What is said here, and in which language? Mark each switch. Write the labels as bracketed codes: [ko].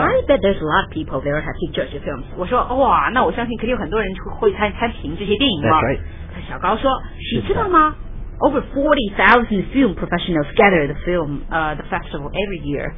[en] I bet there's a lot of people there have to judge the films. [zh] 我说哇，那我相信肯定有很多人会参评这些电影吧。 [en] That's right. [zh] 小高说，你知道吗？ [en] Over 40,000 film professionals gather the film, the festival every year.